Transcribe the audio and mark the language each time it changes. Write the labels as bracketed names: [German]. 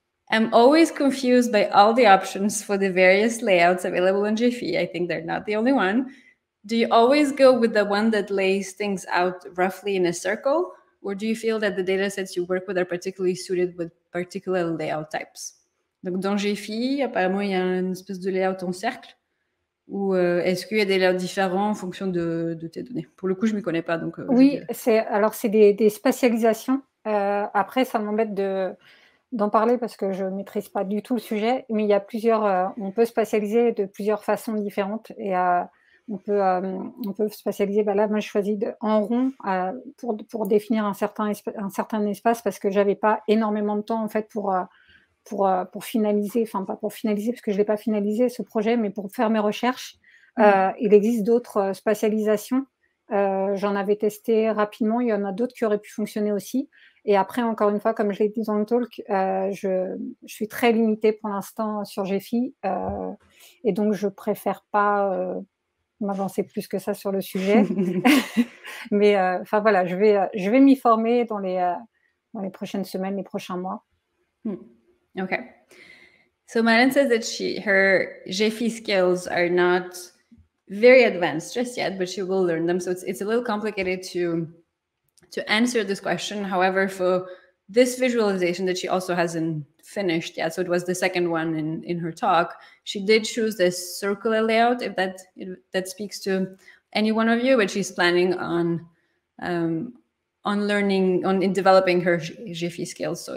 [English] I'm always confused by all the options for the various layouts available in Jiffy. I think they're not the only one. Do you always go with the one that lays things out roughly in a circle? Or do you feel that the data sets you work with are particularly suited with particular layout types? [French] Donc dans Jiffy, apparemment, il y a une espèce de layout en cercle. Ou est-ce qu'il y a des layouts différents en fonction de tes données? Pour le coup, je ne m'y connais pas. Donc, oui, c'est des spatialisations. Après, ça m'embête d'en parler parce que je ne maîtrise pas du tout le sujet. Mais il y a plusieurs... on peut spatialiser de plusieurs façons différentes. Et on peut spatialiser. Ben là, moi, j'ai choisi en rond pour définir un certain espace parce que je n'avais pas énormément de temps en fait, pour finaliser, enfin pas pour finaliser parce que je ne l'ai pas finalisé ce projet, mais pour faire mes recherches. Il existe d'autres spatialisations. J'en avais testé rapidement, il y en a d'autres qui auraient pu fonctionner aussi. Et après, encore une fois, comme je l'ai dit dans le talk, je suis très limitée pour l'instant sur Jiffy et donc je ne préfère pas m'avancer plus que ça sur le sujet. Mais je vais m'y former dans les prochaines semaines, les prochains mois. [English] Okay. So Marlène says that her Jiffy skills are not very advanced just yet, but she will learn them. So it's a little complicated to answer this question. However, for this visualization that she also hasn't finished yet, so it was the second one in her talk, she did choose this circular layout, if that speaks to any one of you, but she's planning on developing her Jiffy skills.